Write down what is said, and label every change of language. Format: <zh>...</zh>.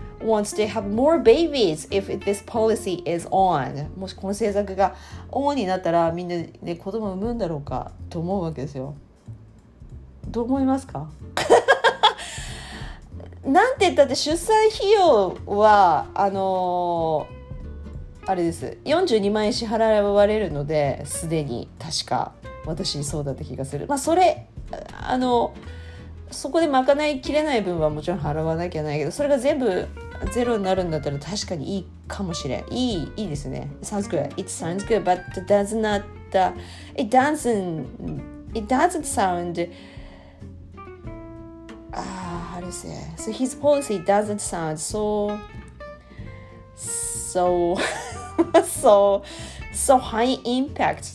<en>wants to have more babies if this policy is on.</en> <ja>もしこの政策がオンになったら、みんなね、子供産むんだろうかと思うわけですよ。どう思いますか？なんて言ったって出産費用はあれです。42万円支払われるので、すでに確か私そうだった気がする。まあそれあのそこで賄いきれない分はもちろん払わなきゃないけど、それが全部ゼロになるんだったら確かにいいかもしれん。いいですね。</ja> <en>Sounds good. It sounds good, but it does not it doesn't sound how to say, so his policy doesn't sound so high impact.</en>